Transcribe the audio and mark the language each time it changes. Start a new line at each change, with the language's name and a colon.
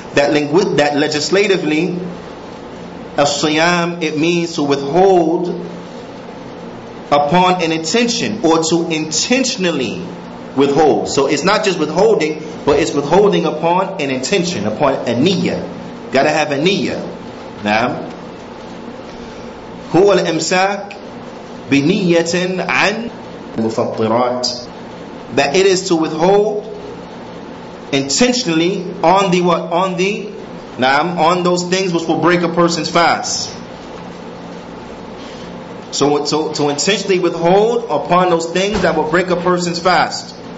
English: That legislatively, As-siyam, it means to withhold upon an intention, or to intentionally withhold. So it's not just withholding, but it's withholding upon an intention, upon a niyyah. Gotta have a niyyah. Now,
Arabic: هو الإمساك بنية عن المفطرات.
English: That it is to withhold intentionally on the what? On the Naam, on those things which will break a person's fast. So to intentionally withhold upon those things that will break a person's fast.